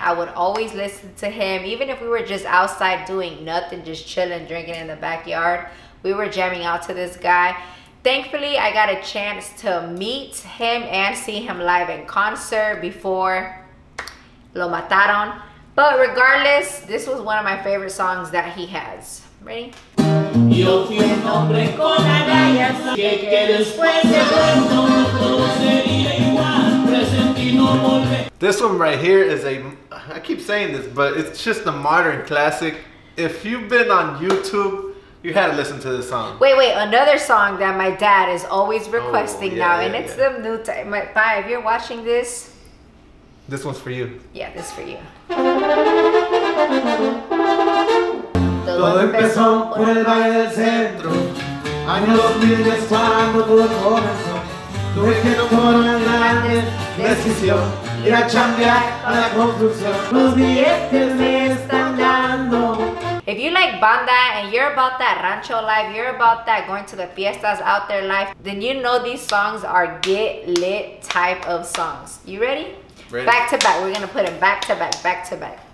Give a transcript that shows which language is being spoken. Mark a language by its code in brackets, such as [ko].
[en] I would always listen to him, even if we were just outside doing nothing, just chilling, drinking in the backyard. We were jamming out to this guy. Thankfully, I got a chance to meet him and see him live in concert before lo mataron. But regardless, this was one of my favorite songs that he has. Ready? [es] Yo fui un hombre con agallas, que después de pronto todo sería igual, presentí no volver. [en] This one right here is I keep saying this, but it's just a modern classic. If you've been on YouTube, you had to listen to this song. Wait, another song that my dad is always requesting the new time. My pa, if you're watching this. This one's for you. Yeah, this is for you. [es] Todo empezó por el baile del centro. Año 2000 es cuando todo comenzó. Tuve que tomar una gran decisión. Ir a chambear a la construcción. Los billetes me están dando. [en] If you like banda and you're about that rancho life, you're about that going to the fiestas out there life, then you know these songs are get lit type of songs. You ready? Ready. Back to back. We're going to put it back to back, back to back.